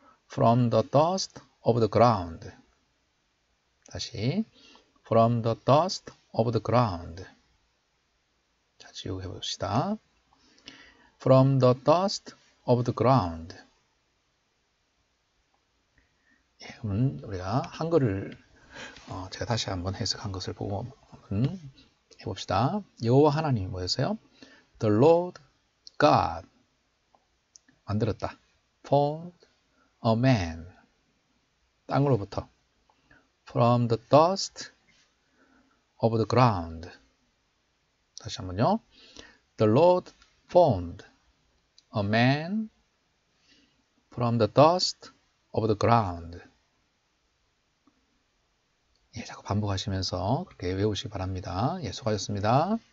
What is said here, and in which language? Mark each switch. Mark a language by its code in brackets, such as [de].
[en] From the dust of the ground. [ko] 다시. [en] From the dust of the ground. [ko] 자, 지우고 해봅시다. [en] From the dust of the ground. [ko] 예, 그러면 우리가 한글을 제가 다시 한번 해석한 것을 보고 해봅시다. 여호와 하나님이 뭐였어요? [en] The Lord God 만들었다. Formed a man. 땅으로부터. From the dust of the ground. [ko] 다시 한번요. [en] The Lord formed a man from the dust of the ground. [ko] 예, 자꾸 반복하시면서 그렇게 외우시기 바랍니다. 예, 수고하셨습니다.